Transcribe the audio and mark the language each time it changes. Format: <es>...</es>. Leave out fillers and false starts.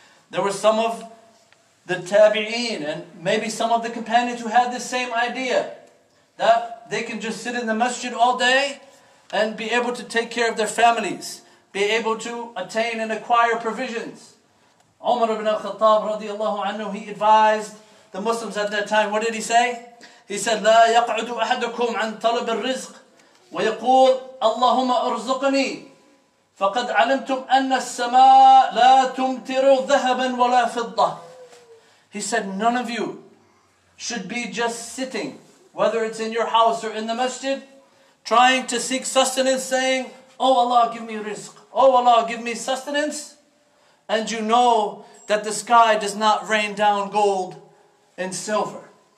<en>There were some of the tabi'een and maybe some of the companions who had this same idea, that they can just sit in the masjid all day and be able to take care of their families, be able to attain and acquire provisions. Umar ibn al-Khattab radiallahu anhu, he advised the Muslims at that time, what did he say? He said,</en> <ar>لا يقعد أحدكم عن طلب الرزق ويقول اللهم أرزقني فقد علمتم أن السماء لا تمطر ذهبا ولا فضة.</ar> <en>He said, none of you should be just sitting, whether it's in your house or in the masjid, trying to seek sustenance, saying, oh Allah, give me rizq. Oh Allah, give me sustenance. And you know that the sky does not rain down gold and silver.</en>